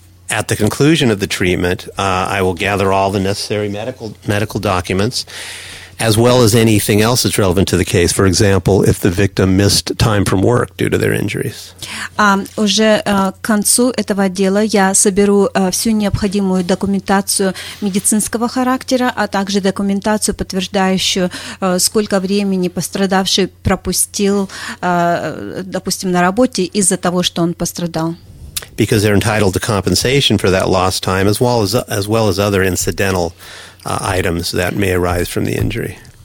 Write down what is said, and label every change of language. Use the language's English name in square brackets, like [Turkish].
[English] At the conclusion of the treatment, I will gather all the necessary medical documents. As well as anything else that's relevant to the case. For example, if the victim missed time from work due to their injuries. [Russian] Уже к концу этого дела я соберу всю необходимую документацию медицинского характера, а также документацию, подтверждающую, сколько времени пострадавший пропустил, допустим, на работе из-за того, что он пострадал. [English] Because they're entitled to compensation for that lost time, as well as other incidental items that may arise from the injury.